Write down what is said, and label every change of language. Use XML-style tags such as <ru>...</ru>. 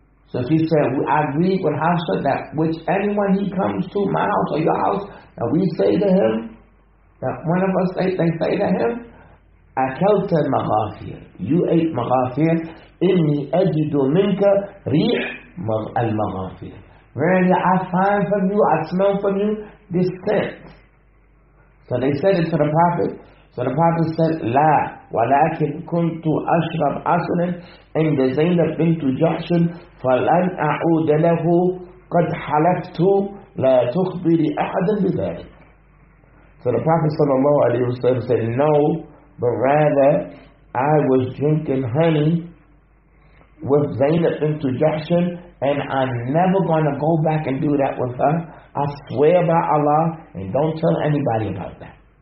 <en>So if he said, I agree with Hafsa that which anyone he comes to, my house or your house, that we say to him, that one of us they say to him,</en> <ar>Akelta maghafir,</ar> <en>you ate maghafir,</en> <ar>inni ajidu minka rih al maghafir.</ar> <en>Really, I find from you, I smell from you this scent. So they said it to the Prophet. So the Prophet said,</en> <ar>لا ولكن كنت أشرب عسلا عند زينب بنت جحش فلن أعود له قد حلفت لا تخبري أحدا بذلك.</ar> <en>So the Prophet sallallahu alaihi wasallam said, no, but rather I was drinking honey with Zainab bint Jahsh, and I'm never going to go back and do that with her. I swear by Allah, and don't tell anybody about that.</en>